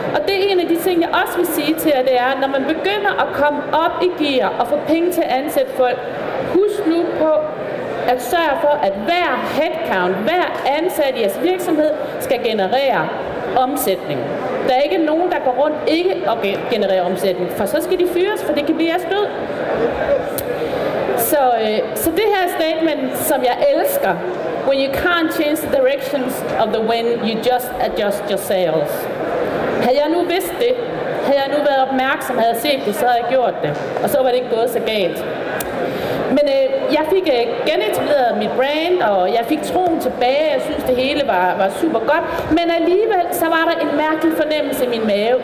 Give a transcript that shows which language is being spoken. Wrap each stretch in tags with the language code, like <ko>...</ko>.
<da>Og det er en af de ting, jeg også vil sige til jer, det er, at når man begynder at komme op i gear og få penge til at ansætte folk, husk nu på at sørge for, at hver headcount, hver ansat i jeres virksomhed, skal generere omsætning. Der er ikke nogen, der går rundt ikke og generere omsætning, for så skal de fyres, for det kan blive jeres død.</da> <en>Så det her statement, som jeg elsker, when you can't change the directions of the wind, you just adjust your sails.</en> <da>Havde jeg nu vidst det, havde jeg nu været opmærksom, havde jeg set det, så havde jeg gjort det. Og så var det ikke gået så galt. Men jeg fik genetableret mit brand, og jeg fik troen tilbage. Jeg synes, det hele var super godt. Men alligevel, så var der en mærkelig fornemmelse i min mave.</da>